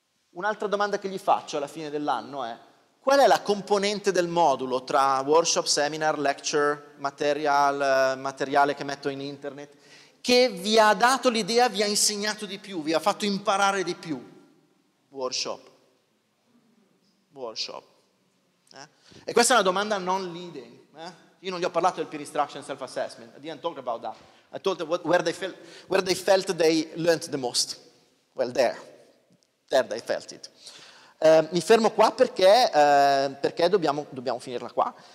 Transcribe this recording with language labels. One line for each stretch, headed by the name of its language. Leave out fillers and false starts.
Italian: Un'altra domanda che gli faccio alla fine dell'anno è, qual è la componente del modulo tra workshop, seminar, lecture, materiale che metto in internet, che vi ha dato l'idea, vi ha insegnato di più, vi ha fatto imparare di più? Workshop. E questa è una domanda non leading. Io non gli ho parlato del peer instruction self-assessment.
English: I didn't talk about that. I told them where they felt they learned the most. Well, there they felt it.
Italian: Mi fermo qua perché dobbiamo finirla qua.